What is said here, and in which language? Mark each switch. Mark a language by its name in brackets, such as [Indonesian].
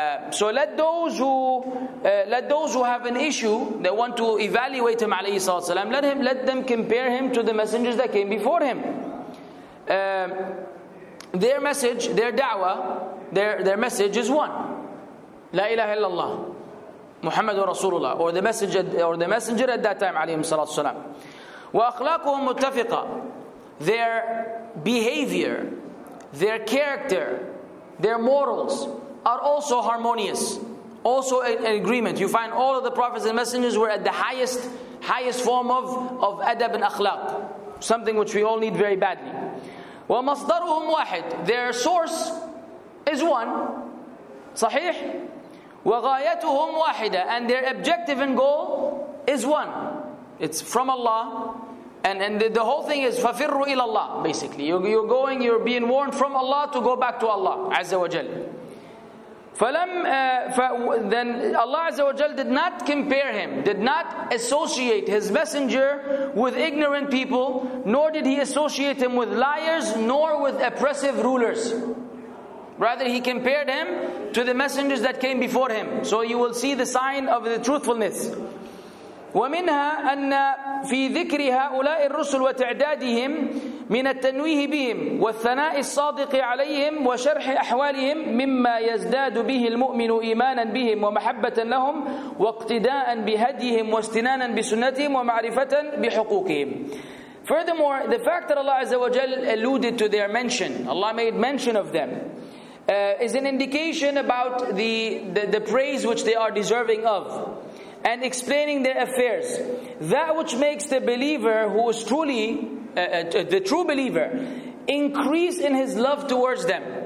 [English] So let those who have an issue that want to evaluate him [Arabic] عليه الصلاة والسلام, [English] let them compare him to the messengers that came before him. Their message, their da'wah, their message is one. [Arabic] لا إله إلا الله محمد رسول الله, [English] or the message or the messenger at that time [Arabic] عليه الصلاة والسلام. وأخلاقهم متفقة, [English] their behavior, their character, their morals are also harmonious, also an agreement. You find all of the prophets and messengers were at the highest form of adab and akhlaq, something which we all need very badly. [Arabic] وَمَصْدَرُهُمْ واحد, [English] their source is one, [Arabic] صحيح. وَغَايَتُهُمْ واحدة, [English] and their objective and goal is one. It's from Allah, and the whole thing is [Arabic] فَفِرُّ إِلَى اللَّهِ. [English] Basically, you're going, you're being warned from Allah to go back to Allah Azza wa Jal. Then Allah Azza wa Jal did not compare him, did not associate his messenger with ignorant people, nor did he associate him with liars, nor with oppressive rulers. Rather, he compared him to the messengers that came before him. So you will see the sign of the truthfulness. [Arabic] ومنها أن في ذكر هؤلاء الرسل وتعدادهم من التنويه بهم والثناء الصادق عليهم وشرح أحوالهم مما يزداد به المؤمن إيمانا بهم ومحبة لهم واقتداء بهديهم واستنانا بسنتهم ومعرفة بحقوقهم. [English] Furthermore, the fact that Allah Azza wa Jal alluded to their mention, Allah made mention of them, is an indication about the praise which they are deserving of, and explaining their affairs. That which makes the believer who is truly the true believer increase in his love towards them.